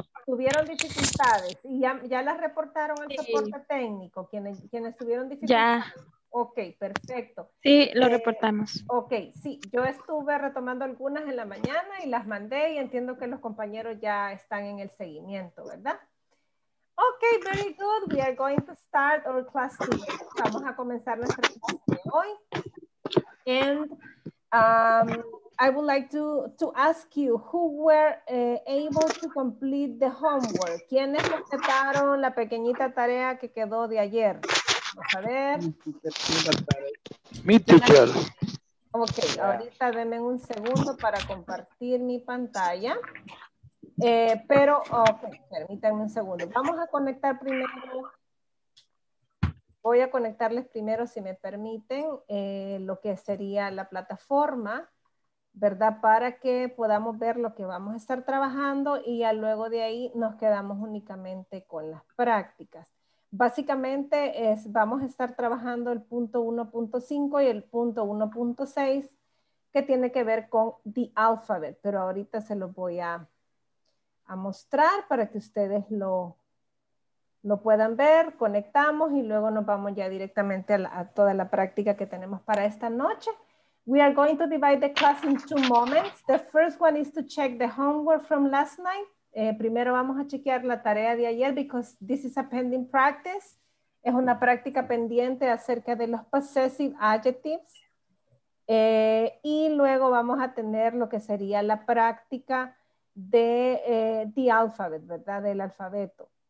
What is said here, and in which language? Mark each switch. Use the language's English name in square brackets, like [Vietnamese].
[Spanish] Tuvieron dificultades y ya las reportaron al soporte técnico, quienes tuvieron dificultades. Ya. Ok, perfecto. Sí, lo reportamos. Ok, sí, yo estuve retomando algunas en la mañana y las mandé y entiendo que los compañeros ya están en el seguimiento, ¿verdad? [English] Ok, very good. We are going to start our class today. [Spanish] Vamos a comenzar nuestra clase de hoy. [English] And I would like to ask you who were able to complete the homework. [Spanish] ¿Quiénes completaron la pequeñita tarea que quedó de ayer? Vamos a ver. Mi teacher. Okay, ahorita denme un segundo para compartir mi pantalla. Pero, okay, permítanme un segundo. Vamos a conectar primero. Voy a conectarles primero, si me permiten, lo que sería la plataforma, ¿verdad? Para que podamos ver lo que vamos a estar trabajando y ya luego de ahí nos quedamos únicamente con las prácticas. Básicamente vamos a estar trabajando el punto 1.5 y el punto 1.6 que tiene que ver con the alphabet, pero ahorita se los voy a mostrar para que ustedes lo puedan ver, conectamos y luego nos vamos ya directamente a toda la práctica que tenemos para esta noche. [English] We are going to divide the class in two moments. The first one is to check the homework from last night. [Spanish] Primero vamos a chequear la tarea de ayer [English] because this is a pending practice. [Spanish] Es una práctica pendiente acerca de los possessive adjectives. Y luego vamos a tener lo que sería la práctica de the alphabet, ¿verdad? Del alfabeto.